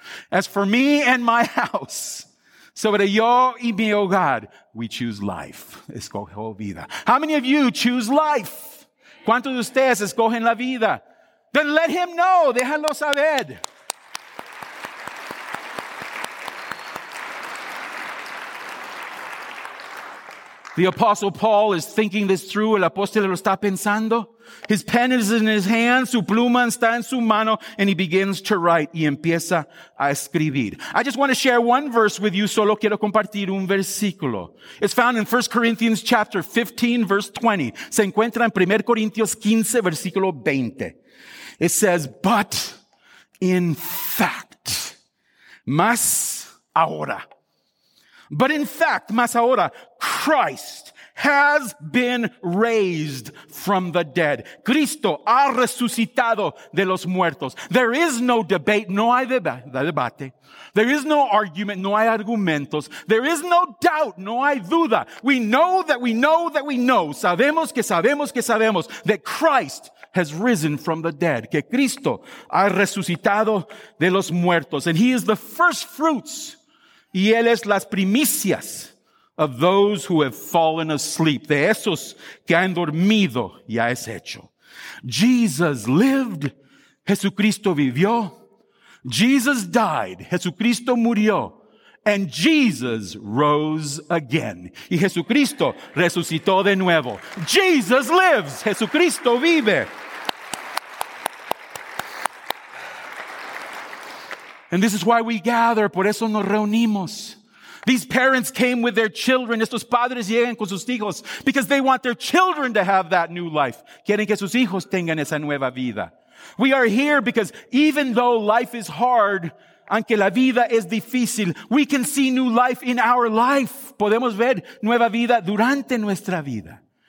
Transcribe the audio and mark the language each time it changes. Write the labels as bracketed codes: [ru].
[en] As for me and my house, [es] sobre yo y mi hogar, [en] we choose life. [es] Escojo vida. [en] How many of you choose life? [es] ¿Cuántos de ustedes escogen la vida? [en] Then let him know. [es] Déjalo saber. [en] The Apostle Paul is thinking this through. [es] El apóstol lo está pensando. [en] His pen is in his hand. [es] Su pluma está en su mano. [en] And he begins to write. [es] Y empieza a escribir. [en] I just want to share one verse with you. [es] Solo quiero compartir un versículo. [en] It's found in 1 Corinthians chapter 15, verse 20. [es] Se encuentra en 1 Corintios 15, versículo 20. [en] It says, but in fact, [es] más ahora. [en] But in fact, [es] mas ahora, [en] Christ has been raised from the dead. [es] Cristo ha resucitado de los muertos. [en] There is no debate, [es] no hay debate. [en] There is no argument, [es] no hay argumentos. [en] There is no doubt, [es] no hay duda. [en] We know that we know that we know. [es] Sabemos que sabemos que sabemos [en] that Christ has risen from the dead. [es] Que Cristo ha resucitado de los muertos. [en] And he is the first fruits. [es] Y él es las primicias [en] of those who have fallen asleep. [es] De esos que han dormido ya es hecho. [en] Jesus lived. [es] Jesucristo vivió. [en] Jesus died. [es] Jesucristo murió. [en] And Jesus rose again. [es] Y Jesucristo resucitó de nuevo. [en] Jesus lives. [es] Jesucristo vive. [en] And this is why we gather, [es] por eso nos reunimos. [en] These parents came with their children, [es] estos padres llegan con sus hijos, [en] because they want their children to have that new life. [es] Quieren que sus hijos tengan esa nueva vida. [en] We are here because even though life is hard, [es] aunque la vida es difícil, [en] we can see new life in our life. [es] Podemos ver nueva vida durante nuestra vida.